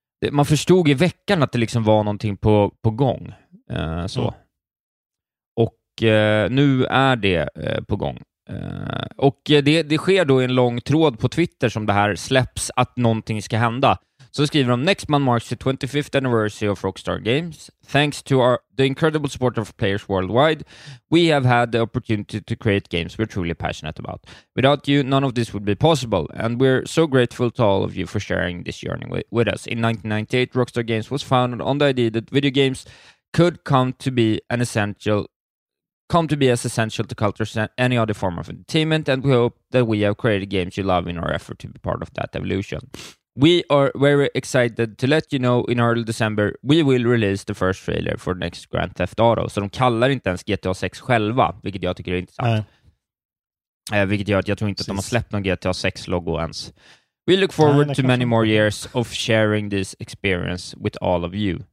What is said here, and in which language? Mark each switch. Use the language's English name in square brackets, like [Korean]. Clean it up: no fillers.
[Swedish] Man förstod i veckan att det liksom var någonting på gång. Så. Mm. Och nu är det på gång. Och det sker då i en lång tråd på Twitter som det här släpps att någonting ska hända. Så skriver de: [English] "Next month marks the 25th anniversary of Rockstar Games. Thanks to the incredible support of players worldwide, we have had the opportunity to create games we're truly passionate about. Without you, none of this would be possible, and we're so grateful to all of you for sharing this journey with us. In 1998, Rockstar Games was founded on the idea that video games could come to be as essential to culture as any other form of entertainment, and we hope that we have created games you love in our effort to be part of that evolution. We are very excited to let you know in early December we will release the first trailer for the next Grand Theft Auto." [Swedish] Så de kallar inte ens GTA 6 själva, vilket jag tycker är intressant. Vilket gör att jag tror inte att de har släppt någon GTA 6-logo ens. [English] "We look forward to many more years of sharing this experience with all of you.